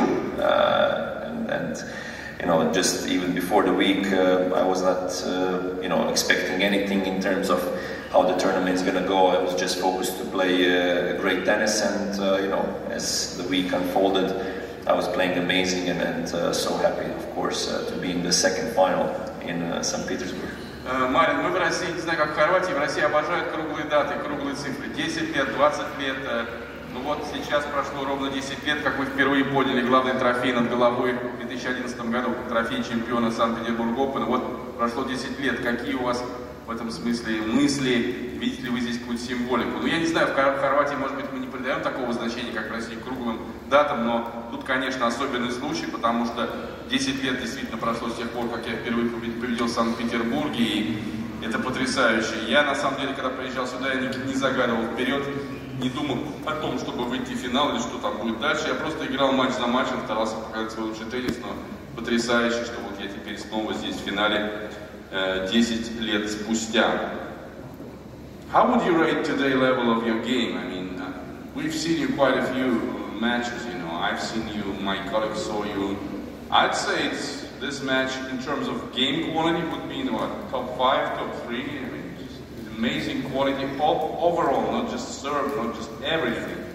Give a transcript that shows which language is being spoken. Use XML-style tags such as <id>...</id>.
<en>And you know, just even before the week, I was not, you know, expecting anything in terms of how the tournament is gonna go. I was just focused to play great tennis, and you know, as the week unfolded, I was playing amazing and so happy, of course, to be in the second final in St. Petersburg.</en> <ru>Марин, мы в России, не знаю, как в Хорватии, в России обожают круглые даты, круглые цифры. 10 лет, 20 лет. Ну вот сейчас прошло ровно 10 лет, как вы впервые подняли главный трофей над головой в 2011 году, трофей чемпиона Санкт-Петербург Open. Вот прошло 10 лет. Какие у вас в этом смысле мысли? Видите ли вы здесь какую-то символику? Ну, я не знаю, в Хорватии, может быть, мы не придаем такого значения, как в России, круглым датам, но тут, конечно, особенный случай, потому что 10 лет действительно прошло с тех пор, как я впервые победил в Санкт-Петербурге, и это потрясающе. Я, на самом деле, когда приезжал сюда, я не загадывал вперед, не думал о том, чтобы выйти в финал или что там будет дальше. Я просто играл матч за матчем, старался показать свой лучший теннис, но потрясающе, что вот я теперь снова здесь в финале 10 лет спустя.</ru> <en>How would you rate today level of your game? I mean, we've seen you quite a few matches, you know. I've seen you, my colleagues saw you. I'd say it's this match, in terms of game quality, would be in what, top 5, top 3? I mean, just amazing quality overall, not just serve, not just everything.</en>